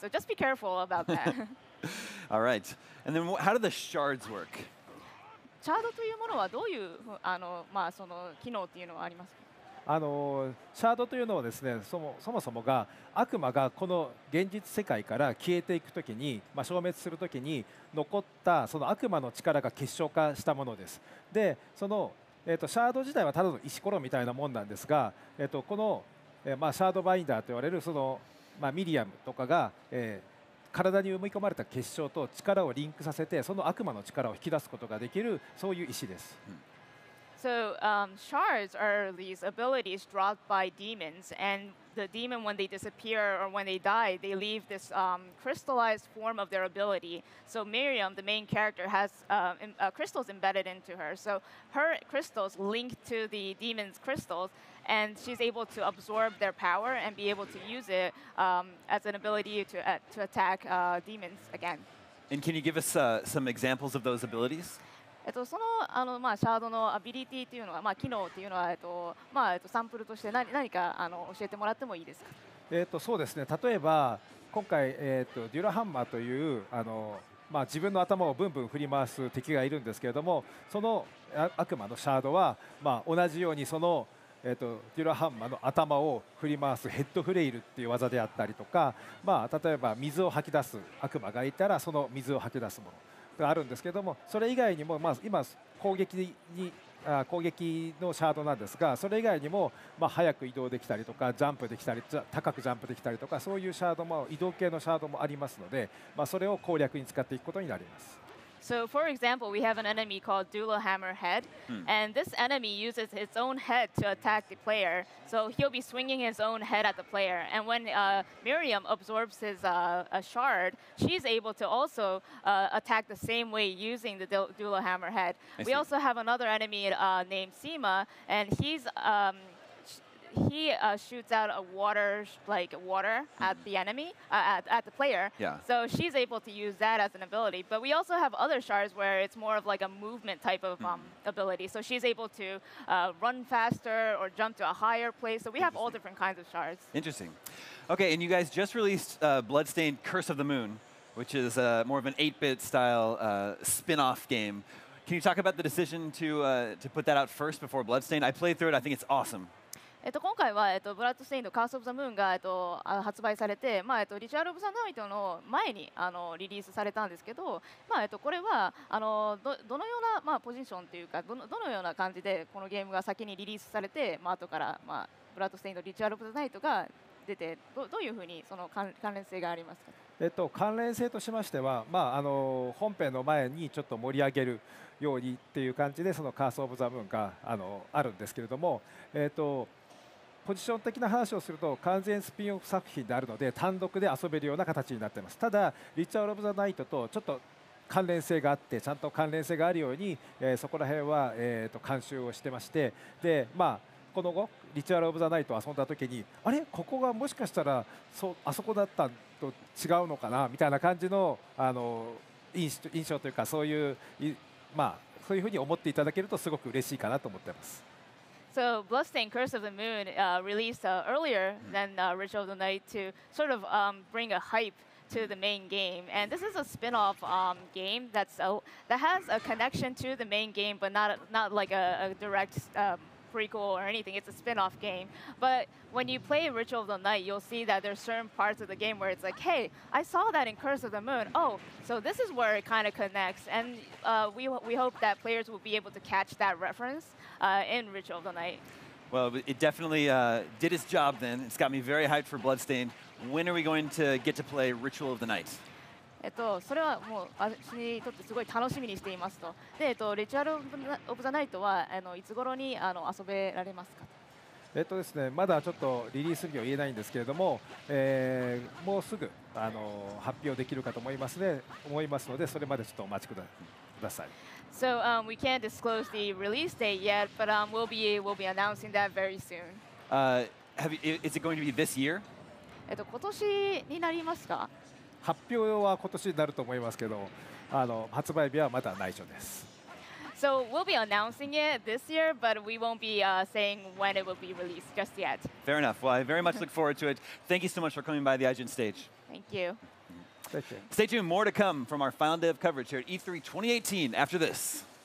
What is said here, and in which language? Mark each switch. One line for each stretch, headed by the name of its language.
English: So just be careful about that. All right, and then how do the shards work?
Japanese: シャードというものはどういうまあその機能っていうのはありますか？シャードというのはですね、そもそもが悪魔がこの現実世界から消えていくときに、まあ、消滅するときに残ったその悪魔の力が結晶化したものです。で、その、シャード自体はただの石ころみたいなもんなんですが、この、まあ、シャードバインダーといわれるその、まあ、ミリアムとかが、体に埋め込まれた結晶と力をリンクさせて、その悪魔の力を引き出すことができる、そういう石です。うん、
English: So shards are these abilities dropped by demons, and the demon, when they disappear or when they die, they leave this crystallized form of their ability. So Miriam, the main character, has crystals embedded into her. So her crystals link to the demon's crystals, and she's able to absorb their power and be able to use it as an ability to attack demons again. And can you give us some examples of those abilities?
Japanese: その、まあ、シャードのアビリティというのは、まあ、機能というのは、まあ、サンプルとして 何か教えてもらってもいいですか？そうですね、例えば今回、デュラハンマーという自分の頭をブンブン振り回す敵がいるんですけれども、その悪魔のシャードは、まあ、同じようにその、デュラハンマーの頭を振り回すヘッドフレイルっていう技であったりとか、まあ、例えば水を吐き出す悪魔がいたらその水を吐き出すものがあるんですけれども、それ以外にも、まあ、今攻撃に攻撃のシャードなんですが、それ以外にも、まあ、早く移動できたりとか、ジャンプできたり、高くジャンプできたりとか、そういうシャードも、移動系のシャードもありますので、まあ、それを攻略に使っていくことになります。
English: So, for example, we have an enemy called Dual Hammer Head, and this enemy uses its own head to attack the player. So he'll be swinging his own head at the player. And when Miriam absorbs his shard, she's able to also attack the same way using the Dual Hammer Head. We also have another enemy named Seema, and he's... He shoots out a water, like water, at the enemy, at the player. Yeah. So she's able to use that as an ability. But we also have other shards where it's more of like a movement type of ability. So she's able to run faster or jump to a higher place. So we have all different kinds of shards. Interesting. Okay, and you guys just released Bloodstained Curse of the Moon, which is more of an 8-bit style spin-off game. Can you talk about the decision to put that out first before Bloodstained? I played through it. I think it's awesome.
Japanese: 今回は、ブラッドステインド、カース・オブ・ザ・ムーンが、発売されて、まあ、リチャード・オブ・ザ・ナイトの前にリリースされたんですけど、まあ、これはどのような、まあ、ポジションというか、どのような感じでこのゲームが先にリリースされて、まあ、後から、まあ、ブラッドステインド、リチャード・オブ・ザ・ナイトが出て、どういうふうにその関連性がありますか？関連性としましては、まあ、本編の前にちょっと盛り上げるようにっていう感じで、そのカース・オブ・ザ・ムーンが あるんですけれども、ポジション的な話をすると完全スピンオフ作品であるので単独で遊べるような形になっています。ただリチャード・オブ・ザ・ナイトとちょっと関連性があって、ちゃんと関連性があるように、そこら辺は、監修をしてまして、で、まあ、この後リチャード・オブ・ザ・ナイトを遊んだ時に、あれここがもしかしたらあそこだったと違うのかなみたいな感じの、印象というか、そういう、まあ、そういうふうに思っていただけるとすごく嬉しいかなと思っています。
English: So Bloodstained Curse of the Moon released earlier than Ritual of the Night to sort of bring a hype to the main game. And this is a spin-off game that has a connection to the main game, but not like a direct prequel or anything. It's a spin-off game. But when you play Ritual of the Night, you'll see that there's certain parts of the game where it's like, hey, I saw that in Curse of the Moon. Oh, so this is where it kind of connects. And we hope that players will be able to catch that reference in Ritual of the Night. Well, it definitely did its job then. It's got me very hyped for Bloodstained. When are we going to get to play Ritual of the Night?
Japanese: それはもう私にとってすごい楽しみにしていますと。で、リチュアル・オブ・ザ・ナイトはいつ頃に遊べられますか？ですね、まだちょっとリリース日を言えないんですけれども、もうすぐ発表できるかと思いますね、思いますので、それまでちょっとお待ちください。
English: So, we can't disclose the release date yet, but we'll be announcing that very soon. Is it going to be this year?
Japanese: 今年になりますか？発表は今年になると思いますけど、発売日はまだ内緒です。
English: So we'll be announcing it this year, but we won't be saying when it will be released just yet. Fair enough. Well, I very much look forward to it. Thank you so much for coming by the IGN stage. Thank you. Thank you. Stay tuned. More to come from our final day of coverage here at E3 2018 after this.